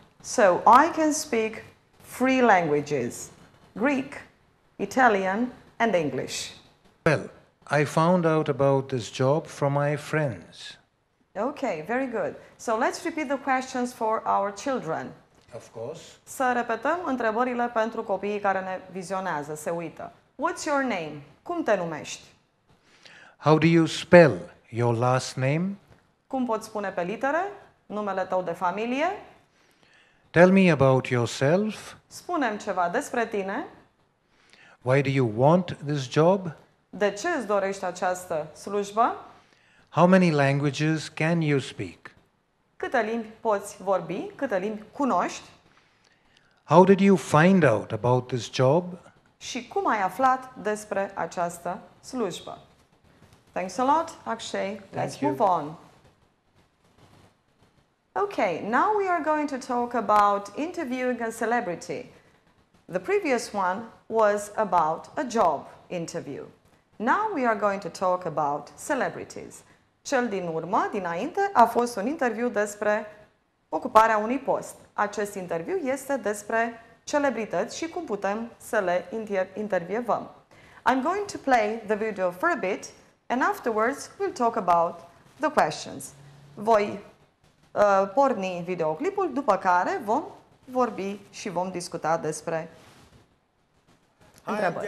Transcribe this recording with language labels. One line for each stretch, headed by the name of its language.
English: So, I can speak 3 languages, Greek, Italian, and English. Well, I found out about this job from my friends. Okay, very good. So let's repeat the questions for our children. Of course.
Romanian: Să repetăm întrebările pentru copiii care ne vizionează, se uită.
English: What's your name?
Romanian: Cum te numești?
English: How do you spell your last name?
Romanian: Cum poți spune pe litere numele tău de familie?
English: Tell me about yourself.
Romanian: Spune-mi ceva despre tine.
English: Why do you want this job?
Romanian: De ce îți dorești această slujbă?
English: How many languages can you speak?
Romanian: Câte limbi poți vorbi? Câte limbi cunoști?
English: How did you find out about this job?
Romanian: Și cum ai aflat despre această slujbă?
English: Thanks a lot, Akshay. Let's move on. Okay, now we are going to talk about interviewing a celebrity. The previous one was about a job interview. Now we are going to talk about celebrities.
Romanian: Cel din urmă, dinainte, a fost un interviu despre ocuparea unui post. Acest interviu este despre celebrități și cum putem să le intervievăm.
English: I'm going to play the video for a bit and afterwards we'll talk about the questions.
Romanian: Voi porni videoclipul, după care vom vorbi și vom discuta despre întrebări.